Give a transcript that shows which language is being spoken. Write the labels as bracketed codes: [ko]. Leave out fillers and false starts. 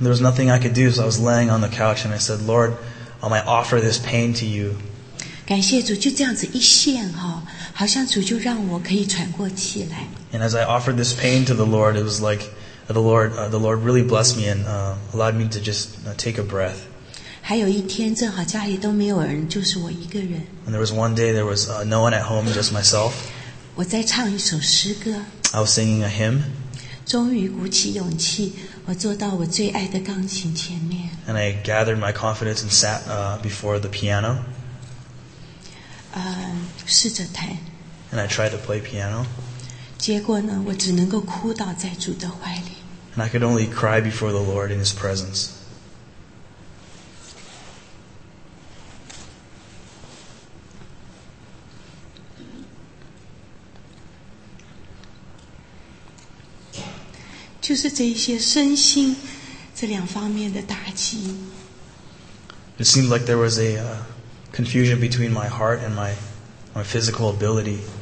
[en] There was nothing I could do, so I was laying on the couch and I said, "Lord, I offer this pain to you." [zh] 感谢主，就这样子一献哈、哦，好像主就让我可以喘过气来。 [en] And as I offered this pain to the Lord, it was like,The Lord really blessed me and allowed me to just take a breath. [zh] 还有一天正好家里都没有人，就是我一个人。 [en] And there was one day there was no one at home, just myself. [zh] 我在唱一首诗歌。 [en] I was singing a hymn. [zh] 终于鼓起勇气，我坐到我最爱的钢琴前面。 [en] And I gathered my confidence and sat before the piano. [zh] 试着弹。 [en] And I tried to play piano. [zh] 结果呢，我只能够哭倒在主的怀里。 [en] And I could only cry before the Lord in His presence. [zh] 就是这一些身心这两方面的打击。 [en] It seemed like there was a confusion between my heart and my physical ability.